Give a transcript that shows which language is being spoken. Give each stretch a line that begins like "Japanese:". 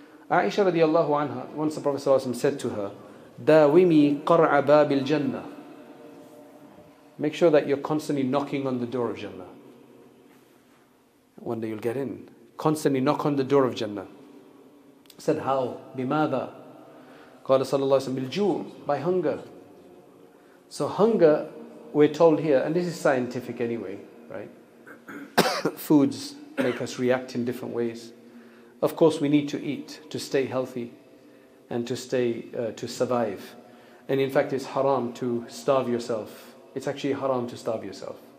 English: Aisha radiallahu anha, once the Prophet ﷺ said to her,
Arabic: Dawimi qar'a babil jannah.
English: Make sure that you're constantly knocking on the door of Jannah. One day you'll get in. Constantly knock on the door of Jannah. Said, how?
Arabic: Bimada? قال صلى الله عليه وسلم بالجوع,
English: by hunger. So hunger, we're told here, and this is scientific anyway, right? Foods make us react in different ways. Of course, we need to eat to stay healthy and to stay to survive. And in fact, it's haram to starve yourself. It's actually haram to starve yourself.